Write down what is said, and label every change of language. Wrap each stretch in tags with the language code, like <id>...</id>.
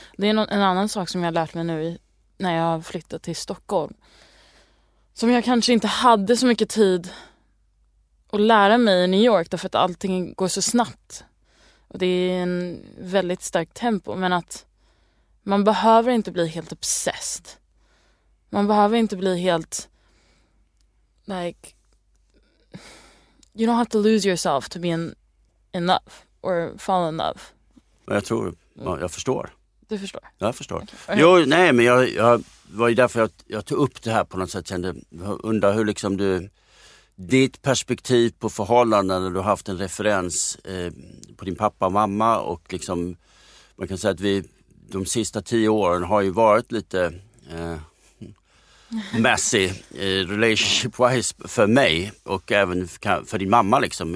<sv>Det är en annan sak som jag har lärt mig nu när jag har flyttat till Stockholm, som jag kanske inte hade så mycket tid att lära mig i New York, därför att allting går så snabbt. Och det är en väldigt stark tempo. Men att man behöver inte bli helt obsessed. Man behöver inte bli helt,</sv> <en>like, you don't have to lose yourself to be in love or fall in love.</en> <sv>Jag tror, jag förstår. Du förstår? Jag förstår. Okay. Jo, nej, men jag var ju därför jag tog upp det här på något sätt. Kände, undrar hur liksom du, ditt perspektiv på förhållanden, när du har haft en referens på din pappa och mamma, och liksom, man kan säga att vi de sista 10 åren har ju varit lite</sv> <en>messy relationship wise</en> <sv>för mig, och även för din mamma liksom.</sv>